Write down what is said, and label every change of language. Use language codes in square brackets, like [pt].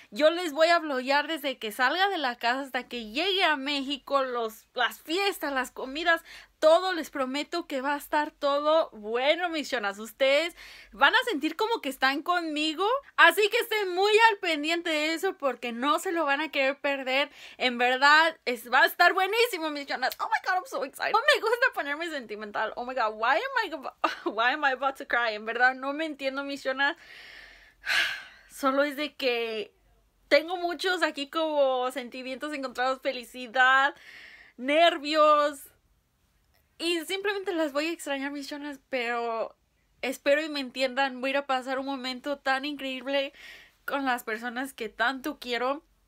[es] Yo les voy a vloguear desde que salga de la casa hasta que llegue a México, las fiestas, las comidas, todo. Les prometo que va a estar todo bueno, mis chonas. Ustedes van a sentir como que están conmigo. Así que estén muy al pendiente de eso porque no se lo van a querer perder. En verdad, va a estar buenísimo, mis chonas. [en] Oh my God, I'm so excited. [es] No me gusta ponerme sentimental. [en] Oh my God, why am I about to cry? [es] En verdad, no me entiendo, mis chonas. Solo es de que tengo muchos aquí como sentimientos encontrados. Felicidad, nervios. Y simplemente las voy a extrañar, mis chonas, pero espero y me entiendan. Voy a ir a pasar un momento tan increíble con las personas que tanto quiero.